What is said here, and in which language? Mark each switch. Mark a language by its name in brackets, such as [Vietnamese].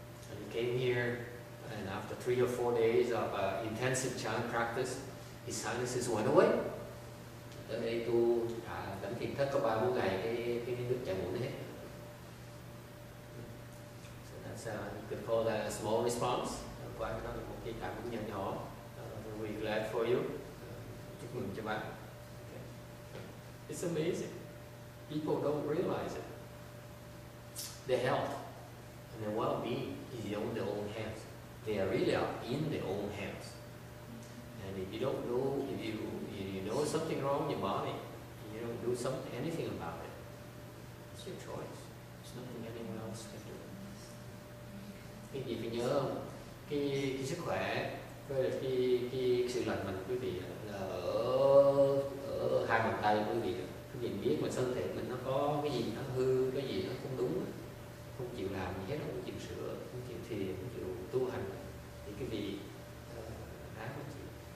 [English] And he came here, and after 3 or 4 days of intensive chant practice, his sinuses went away. [Vietnamese] Tới đây tu đánh thiền thất có 3-4 ngày, cái nước chảy mũi nó hết. [English] So that's you could call that a small response. [Vietnamese] Qua đó là một cái cảm ứng nhỏ nhỏ. [English] We're glad for you. [Vietnamese] Chúc mừng cho bạn. [English] It's amazing. People don't realize it. Their health and their well-being is in their own hands. They really are in their own hands. And if you don't know, if you know something wrong in your body, and you don't do anything about it, it's your choice. There's nothing anyone else can do. If you know, [Vietnamese] cái sức khỏe, cái sự lành mạnh của quý vị là ở hai bàn tay của quý vị. Quý vị biết mà thân thể mình nó có cái gì nó hư, cái gì nó không đúng, không chịu làm gì hết, không chịu sửa, không chịu thiền, không chịu tu hành, thì cái gì đáng không chịu.